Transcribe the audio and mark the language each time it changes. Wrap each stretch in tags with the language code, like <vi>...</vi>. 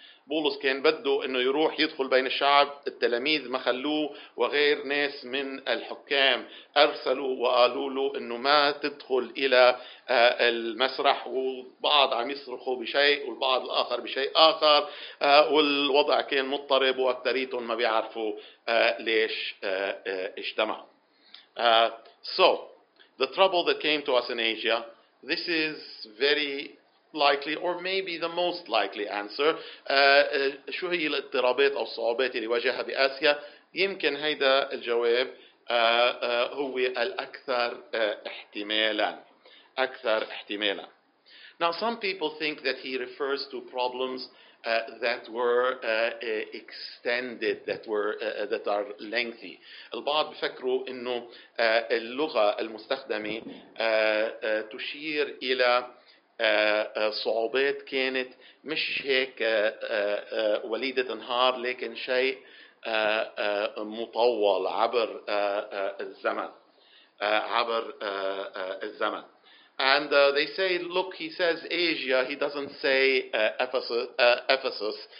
<ar>بولس كان بده أنه يروح يدخل بين الشعب, التلاميذ ما خلوه, وغير ناس من الحكام أرسلوا وقالوا له أنه ما تدخل إلى المسرح. وبعض عم يصرخوا بشيء والبعض الآخر بشيء آخر, والوضع كان مضطرب وأكتريتهم ما بيعرفوا ليش اجتمع.</ar> <en>So, the trouble that came to us in Asia, this is very likely, or maybe the most likely answer.</en> <ar>شو هي الاضطرابات أو الصعوبات اللي واجهها بآسيا؟ يمكن هيدا الجواب هو الأكثر احتمالاً. أكثر احتمالاً.</ar> <en>Now, some people think that he refers to problems that were extended, that were that are lengthy.</en> <ar>البعض بفكروا إنه اللغة المستخدمة تشير إلى صعوبات كانت مش هيك وليدة انهار, لكن شيء مطول عبر الزمن, عبر الزمن.</ar> <en>And they say, look, he says Asia, he doesn't say Ephesus.</en>